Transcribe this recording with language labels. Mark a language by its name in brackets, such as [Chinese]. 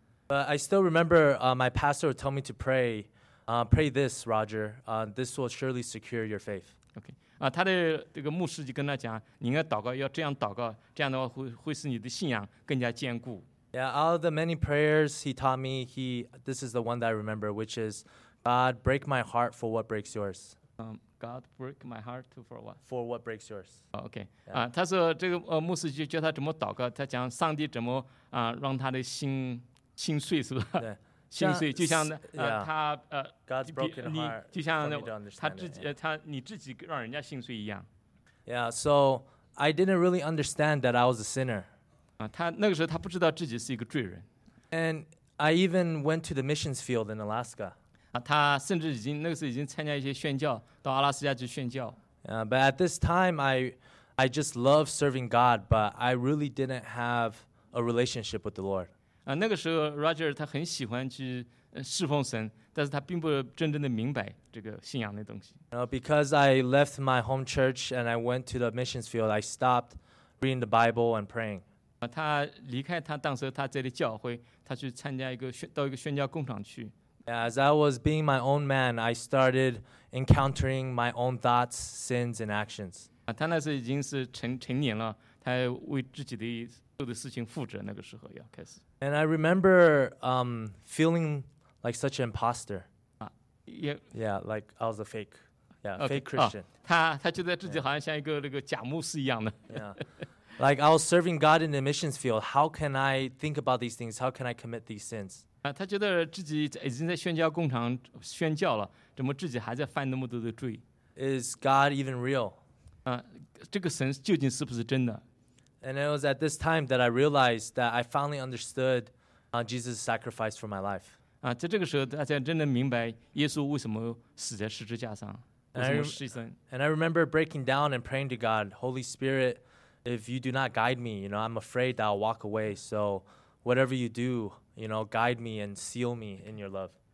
[English] But I still remember my pastor would tell me to pray, pray this, Roger. This will surely secure your faith. Okay. [Chinese] 他的这个牧师就跟他讲，你应该祷告，要这样祷告，这样的话会使你的信仰更加坚固。 [English] Yeah, all the many prayers he taught me, this is the one that I remember, which is, God break my heart for what breaks yours. God break my heart for what? For what breaks yours. Okay. [Chinese] 他说这个牧师就教他怎么祷告，他讲上帝怎么让他的心碎，是吧？对。心碎，就像他 [English] God's broken heart, [Chinese] 就像他自己、 [English] yeah. [Chinese] 他你自己让人家心碎一样。 [English] Yeah, so I didn't really understand that I was a sinner. [Chinese] 他那个时候他不知道自己是一个罪人。 [English] And I even went to the missions field in Alaska. [Chinese] 他甚至已经那个时候已经参加一些宣教，到阿拉斯加去宣教。 [English] Yeah, but at this time, I just loved serving God, but I really didn't have a relationship with the Lord. [Chinese] 那个时候 Roger 他很喜欢去侍奉神，但是他并不真正的明白这个信仰的东西。 [English] Because I left my home church and I went to the missions field, I stopped reading the Bible and praying. [Chinese] 他离开他当时他这里教会，他去参加一个到一个宣教工厂去。 [English] As I was being my own man, I started encountering my own thoughts, sins, and actions. [Chinese] 他那时已经是成年了，他为自己的做的事情负责。那个时候要开始。 [English] And I remember feeling like such an imposter. Like I was a fake. Fake Christian. [Chinese] 他觉得自己好像像一个那个假牧师一样的。 [English] Like I was serving God in the missions field. How can I think about these things? How can I commit these sins? [Chinese] 他觉得自己已经在宣教工厂宣教了，怎么自己还在犯那么多的罪？ [English] Is God even real? [Chinese] 这个神究竟是不是真的？ [English] And it was at this time that I realized that I finally understood Jesus' sacrifice for my life. [Chinese] 在这个时候，大家真的明白耶稣为什么死在十字架上，为什么牺牲。 [English] And I remember breaking down and praying to God, Holy Spirit. If you do not guide me, you know, I'm afraid that I'll walk away. So whatever you do, you know, guide me and seal me in your love.